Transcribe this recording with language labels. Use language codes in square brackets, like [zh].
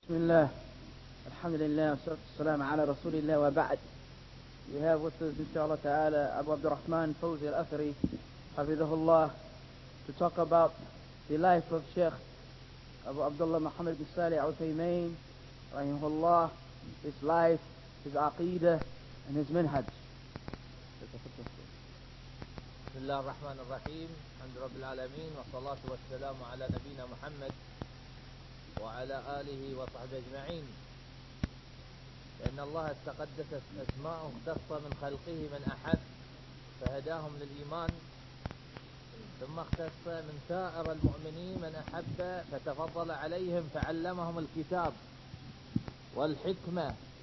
[ar] بسم الله الحمد لله والصلاة والسلام على رسول الله وبعد. [en] We have with us inshallah ta'ala Abu Abdurrahman Fawzi al-Athari hafidhahullah to talk about the life of Sheikh Abu Abdullah Muhammad bin Salih al-Uthaymeen rahimahullah, his life, his aqidah and his minhaj. [ar] بسم الله الرحمن الرحيم الحمد رب العالمين والصلاة والسلام على نبينا محمد وعلى آله وصحبه أجمعين لأن الله تقدست أسماؤه اختص من خلقه من أحب فهداهم للإيمان ثم اختص من سائر المؤمنين من أحب فتفضل عليهم فعلمهم الكتاب والحكمة